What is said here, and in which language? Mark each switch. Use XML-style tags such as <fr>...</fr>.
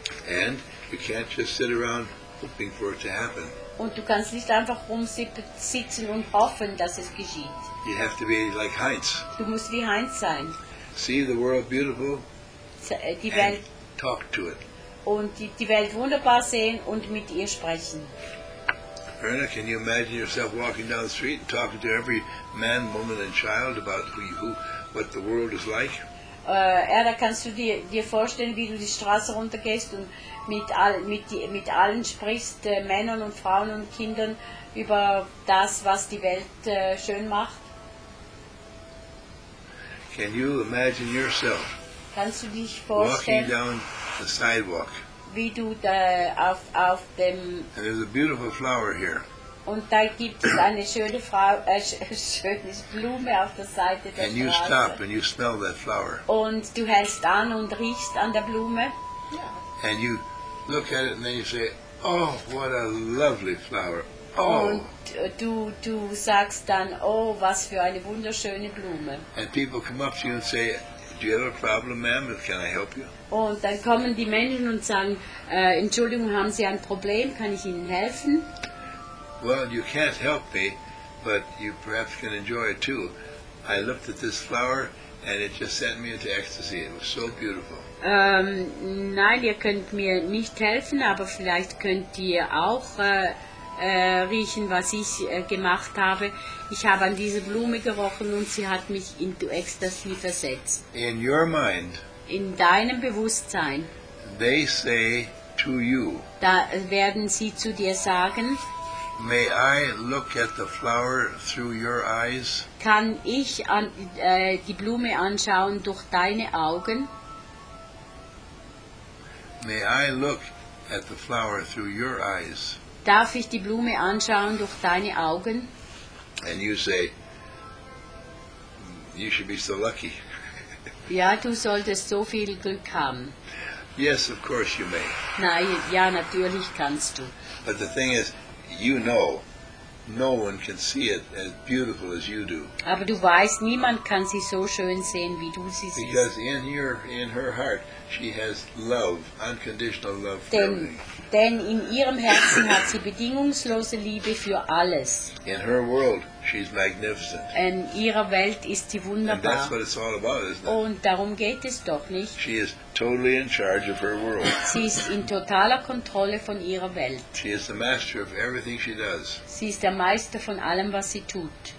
<en>And you can't just sit around hoping for it to happen.</en> <de>Und du kannst nicht einfach rumsitzen und hoffen, dass es geschieht.</de> <en>You have to be like Heinz.</en> <de>Du musst wie Heinz sein.</de> <en>See the world beautiful</en> <de>die Welt</de> <en>and talk to it.</en> <de>Und die Welt wunderbar sehen und mit ihr sprechen.</de> <en>Erna, can you imagine yourself walking down the street and talking to every man, woman and child about what the world is like?</en> <de>Erna, kannst du dir vorstellen, wie du die Straße runtergehst und mit allen sprichst, Männern und Frauen und Kindern, über das, was die Welt schön macht?</de> <en>Can you imagine yourself</en> <de>Kannst du dich</de> <en>walking down the sidewalk?</en> <de>Wie du da auf dem</de> <en>and there's a beautiful flower here.</en> <de>Und da gibt es eine schöne Frau, schöne Blume auf der Seite der</de> <en>and</en> <de>Straße.</de> <en>You stop and you smell that flower.</en> <de>Und du hältst an und riechst an der Blume. Yeah.</de> <en>And you look at it and then you say, oh, what a lovely flower. Oh.</en> <de>Und du sagst dann, oh, was für eine wunderschöne Blume.</de> <en>And people come up to you and say, Do you have a problem, ma'am? Can I help you?</en> <de>Oh, und dann kommen die Menschen und sagen, Entschuldigung, haben Sie ein Problem? Kann ich Ihnen helfen?</de> <en>Well, you can't help me, but you perhaps can enjoy it too. I looked at this flower and it just sent me into ecstasy. It was so beautiful.</en> <de>Nein, ihr könnt mir nicht helfen, aber vielleicht könnt ihr auch riechen, was ich gemacht habe. Ich habe an diese Blume gerochen und sie hat mich in Ecstasy versetzt.</de> <en>In your mind.</en> <de>In deinem Bewusstsein.</de> <en>They say to you.</en> <de>Da werden sie zu dir sagen.</de> <en>May I look at the flower through your eyes?</en> <de>Kann ich an, die Blume anschauen durch deine Augen?</de> <en>May I look at the flower through your eyes?</en> <de>Darf ich die Blume anschauen durch deine Augen?</de> <en>And you say, you should be so lucky.</en> <de>Ja, du solltest so viel Glück haben.</de> <en>Yes, of course you may.</en> <de>Nein, ja, natürlich kannst du.</de> <en>But the thing is, you know, no one can see it as beautiful as you do.</en> <de>Aber du weißt, niemand kann sie so schön sehen wie du sie siehst.</de> <en>Because in your, in her heart, she has love, unconditional love for everything.</en> <de>Denn in ihrem Herzen hat sie bedingungslose Liebe für alles.</de> <en>In her world, she's magnificent.</en> <de>In ihrer Welt ist sie wunderbar.</de> <en>And that's what it's all about, isn't it?</en> <de>Und darum geht es doch nicht.</de> <en>She is totally in charge of her world.</en> <de>Sie ist in totaler Kontrolle von ihrer Welt.</de> <en>She is the master of everything she does.</en> <de>Sie ist der Meister von allem, was sie tut.</de>